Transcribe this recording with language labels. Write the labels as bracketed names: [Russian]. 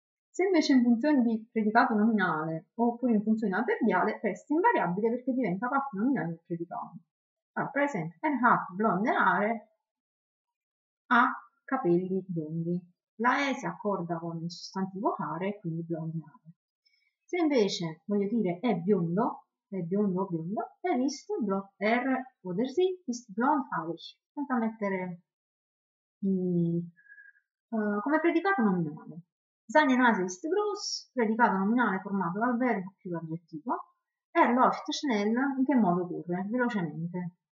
[Italian] Se invece in funzione di predicato nominale oppure in funzione avverbiale, resta invariabile perché diventa parte nominale del predicato. Allora, per esempio, [German] er hat blonde haare, [Italian] ha capelli biondi. La E si accorda con il sostantivo haare, quindi blonde haare. Se invece voglio dire è biondo, biondo, [German] er ist blond, er oder sie ist blond haarig. [Italian] Senta mettere come predicato nominale. [German] Seine Nase ist groß, [Italian] predicato nominale formato dal verbo più l'aggettivo. [German] Er läuft schnell, [Italian] in che modo corre? Velocemente.